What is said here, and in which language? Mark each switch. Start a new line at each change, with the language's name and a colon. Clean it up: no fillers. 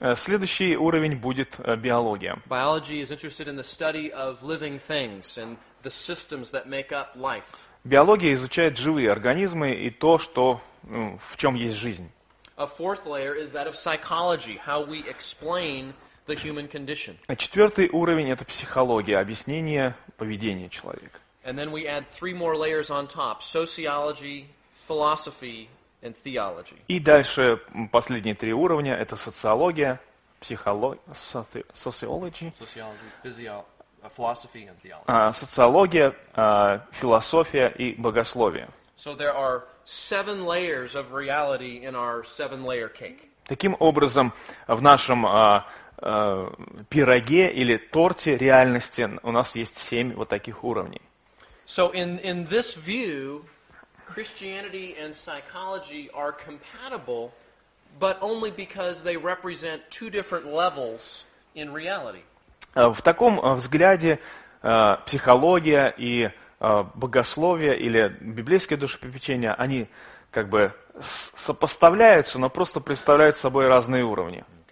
Russian: Следующий уровень будет биология.
English: Biology is interested in the study of living things and the systems that make up life.
Russian: Биология изучает живые организмы и то, что в чем есть жизнь.
English: A fourth layer is that of psychology, how we explain the human condition.
Russian: Четвертый уровень это психология, объяснение поведения человека.
English: And then we add three more layers on top: sociology, philosophy. And theology.
Russian: И дальше последние три уровня это социология, социология, философия и богословие.
English: So there are seven layers of reality in our seven-layer cake.
Russian: Таким образом, в нашем пироге или торте реальности у нас есть семь вот таких уровней.
English: So in this view Christianity and psychology are compatible but only because they represent two different levels in reality.
Russian: В таком взгляде психология и богословие или библейское душепопечение, они как бы сопоставляются, но просто представляют собой разные уровни.